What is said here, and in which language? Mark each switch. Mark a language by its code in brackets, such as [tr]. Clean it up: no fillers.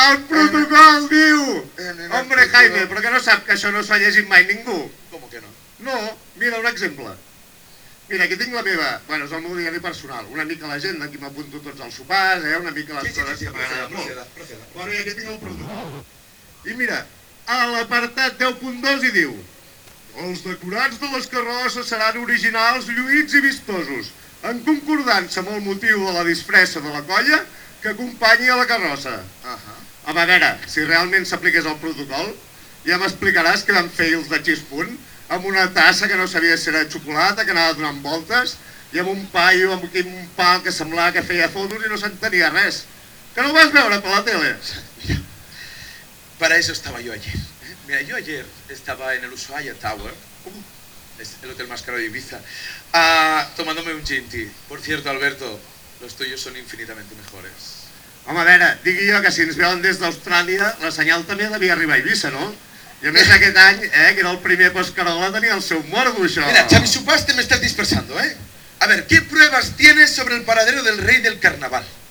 [ca] ¡El protocol, diu! [es] Hombre, artículo... Jaime, ¿por qué no sabes que eso no se ha [ca] llegit mai ningú? [es] ¿Cómo que no? No, mira, un ejemplo. Mira, aquí tengo [ca] la meva, bueno, es el meu diari personal, una mica la gent, aquí m'apunto tots els sopars, una mica les coses... [es] Sí, proceda, proceda. [ca] Bueno, i [es] aquí tengo [ca] el protocol. I mira, a l'apartat 10.2 hi diu: els decorats de les carrosses seran originals, lluïts i vistosos, en concordança amb el motiu de la disfressa de la colla que acompanyi a la carrossa. A veure, si realment s'apliqués el protocol, ja m'explicaràs que vam fer els de Xispunt amb una tassa que no sabia si era de xocolata, que anava donant voltes, i amb un paio amb un pal que semblava que feia fotos i no s'entenia res. Que no ho vas veure per la tele? Per això estava jo ayer. Mira, jo ayer estava en el Ushuaia Tower, l'hotel més caro d'Ibiza, [es] tomándome un ginti. Por cierto, Alberto, los tuyos son infinitamente mejores. [ca] Home, a veure, digui jo que si ens veuen des d'Austràlia, la senyal també devia arribar a Ibiza, no? I a més aquest any, que era el primer post-carola, tenia el seu morbo, això. [es] Mira, [ca] Xavi Supas, [es] te me estás dispersando, A ver, ¿qué pruebas tienes sobre el paradero del rey del carnaval?